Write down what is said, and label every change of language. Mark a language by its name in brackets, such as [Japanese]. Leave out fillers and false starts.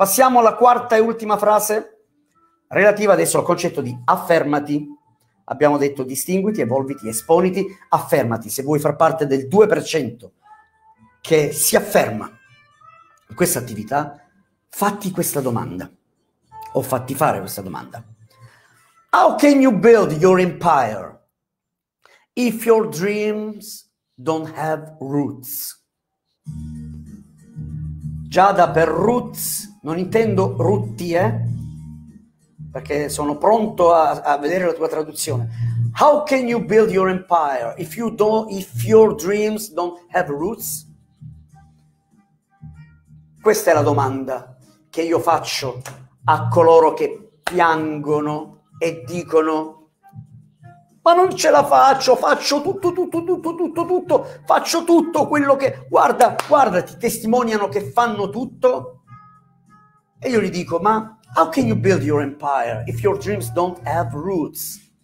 [Italian] Passiamo alla quarta e ultima frase relativa adesso al concetto di affermati. Abbiamo detto distinguiti, evolviti, esponiti. Affermati, se vuoi far parte del 2%. Che si afferma in questa attività, fatti questa domanda, o fatti fare questa domanda. [English] How can you build your empire if your dreams don't have roots? [Italian] Giada, per roots non intendo rutti, perché sono pronto a vedere la tua traduzione. [English] How can you build your empire if your dreams don't have roots? [Italian] Questa è la domanda che io faccio a coloro che piangono e dicono ma non ce la faccio, faccio tutto, faccio tutto quello che... Guarda, ti testimoniano che fanno tutto. E io gli dico, ma [English] how can you build your empire if your dreams don't have roots?